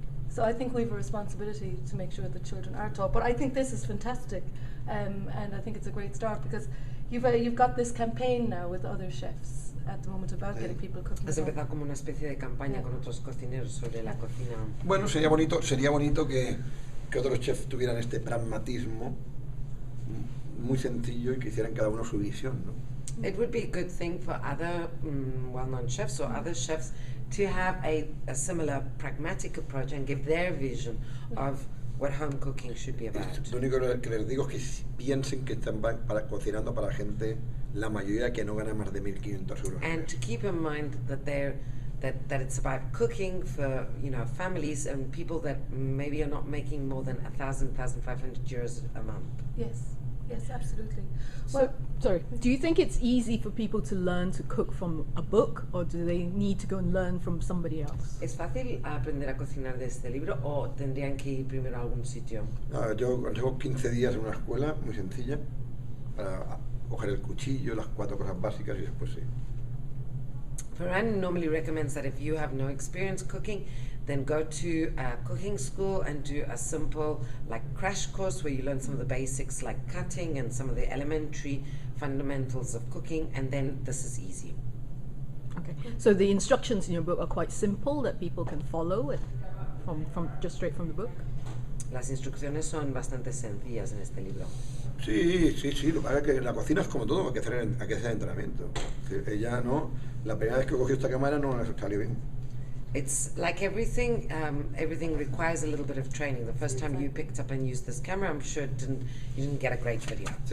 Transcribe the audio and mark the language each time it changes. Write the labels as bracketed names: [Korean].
[English] So I think we have a responsibility to make sure that children are taught. But I think this is fantastic, and I think it's a great start because you've got this campaign now with other chefs at the moment about getting people cooking. [Spanish] Has empezado como una especie de campaña con otros cocineros sobre la cocina. Bueno, sería bonito que otros chefs tuvieran este pragmatismo muy sencillo y que hicieran cada uno su visión, ¿no? [English] It would be a good thing for other well-known chefs or other chefs to have a similar pragmatic approach and give their vision of what home cooking should be about. [Spanish] Lo único que les digo es que piensen que están para cocinando para gente, la mayoría que no gana más de 1.500 euros. [English] And to keep in mind that that it's about cooking for, you know, families and people that maybe are not making more than 1,000-1,500 euros a month. Yes. Yes, absolutely. Do you think it's easy for people to learn to cook from a book, or do they need to go and learn from somebody else? [Spanish] ¿Es fácil aprender a cocinar de este libro, o tendrían que ir primero a algún sitio? Yo llevo 15 días en una escuela, muy sencilla, para coger el cuchillo, las cuatro cosas básicas, y después sí. [English] Farron normally recommends that if you have no experience cooking, then go to a cooking school and do a simple like crash course where you learn some of the basics like cutting and some of the elementary fundamentals of cooking, and then this is easy. Okay, so the instructions in your book are quite simple that people can follow it from just straight from the book? [Spanish] Las instrucciones son bastante sencillas en este libro. Sí, lo que pasa es que la cocina es como todo, hay que hacer entrenamiento. Ella no, la primera vez que cogió esta cámara no salió bien. [English] It's like everything, everything requires a little bit of training. The first time you picked up and used this camera, I'm sure it didn't, you didn't get a great video.